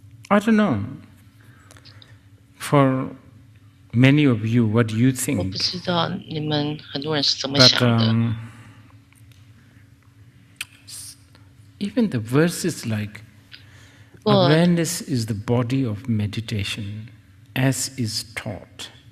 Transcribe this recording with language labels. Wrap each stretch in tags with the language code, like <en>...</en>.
<en>I don't know, for many of you, what do you think?</en> <zh>我不知道你们很多人是怎么想的。</zh> <en>Even the verse is like, awareness is the body of meditation, as is taught.</en>